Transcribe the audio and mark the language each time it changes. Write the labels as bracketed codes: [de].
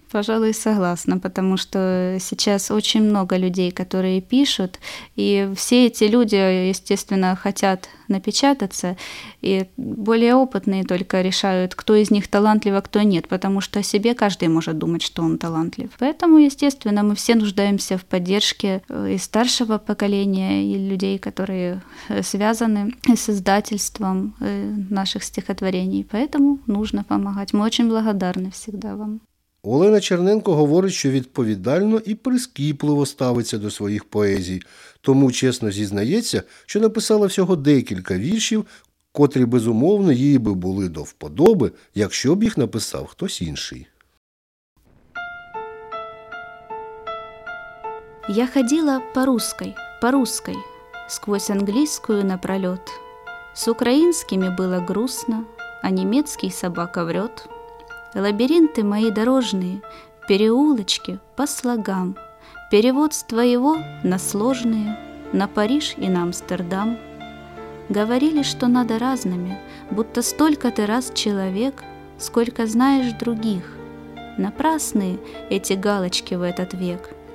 [ru] Пожалуй, согласна, потому что сейчас очень много людей, которые пишут, и все эти люди, естественно, хотят напечататься, и более опытные только решают, кто из них талантлив, а кто нет, потому что о себе каждый может думать, что он талантлив. Поэтому, естественно, мы все нуждаемся в поддержке и старшего поколения, и людей, которые связаны с издательством наших стихотворений. Поэтому нужно помогать. Мы очень благодарны всегда вам. [uk] Олена Черненко говорить, що відповідально і прискіпливо ставиться до своїх поезій, тому чесно зізнається, що написала всього декілька віршів, котрі, безумовно, їй би були до вподоби, якщо б їх написав хтось інший. [ru] Я ходила по-русской, сквозь англійською напрольот. [uk] З українськими було [ru] грустно, а німецький собака врет. Лабиринты мои дорожные, переулочки по слогам, перевод с твоего на сложные, на Париж и на Амстердам. Говорили, что надо разными, будто столько ты раз человек, сколько знаешь других. Напрасные эти галочки в этот век.